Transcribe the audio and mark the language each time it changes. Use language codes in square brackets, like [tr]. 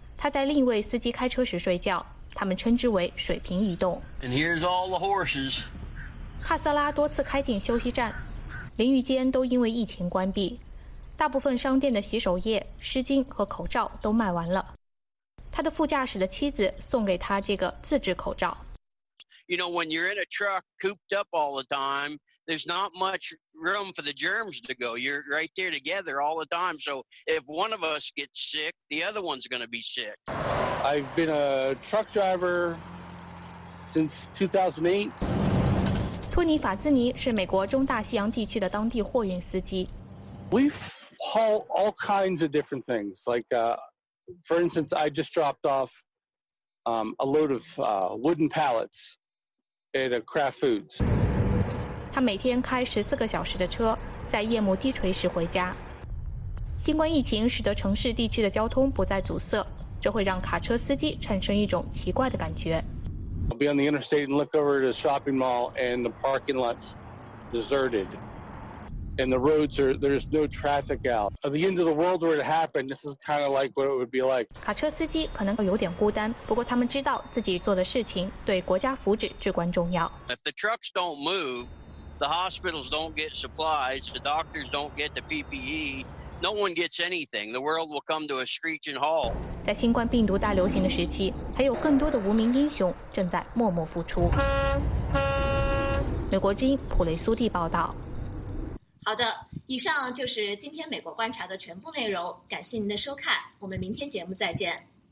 [zh] 他在另一位司机开车时睡觉，他们称之为水平移动。 [en] And here's all the horses. [zh] 帕瑟拉多次开进休息站，淋浴间都因为疫情关闭，大部分商店的洗手液、湿巾和口罩都卖完了。他的副驾驶的妻子送给他这个自制口罩。 [en] You know, when you're in a truck cooped up all the time, there's not much room for the germs to go. You're right there together all the time. So if one of us gets sick, the other one's going to be sick. I've been a truck driver since 2008. [zh] 托尼·法兹尼是美国中大西洋地区的当地货运司机。 [en] We've hauled all kinds of different things. Like, for instance, I just dropped off a load of wooden pallets. At a Kraft Foods. [zh] 他每天开14个小时的车，在夜幕低垂时回家。新冠疫情使得城市地区的交通不再阻塞，这会让卡车司机产生一种奇怪的感觉。 [en] I'll be on the interstate and look over the shopping mall and the parking lot's deserted, and the roads are there's no traffic out. At the end of the world were to happen, this is kind of like what it would be like. [zh] 卡车司机可能有点孤单，不过他们知道自己做的事情对国家福祉至关重要。 [en] If the trucks don't move, the hospitals don't get supplies, the doctors don't get the PPE, no one gets anything. The world will come to a screeching halt. [zh] 在新冠病毒大流行的时期，还有更多的无名英雄正在默默付出。美国之音普雷苏蒂报道。好的，以上就是今天美国观察的全部内容，感谢您的收看，我们明天节目再见。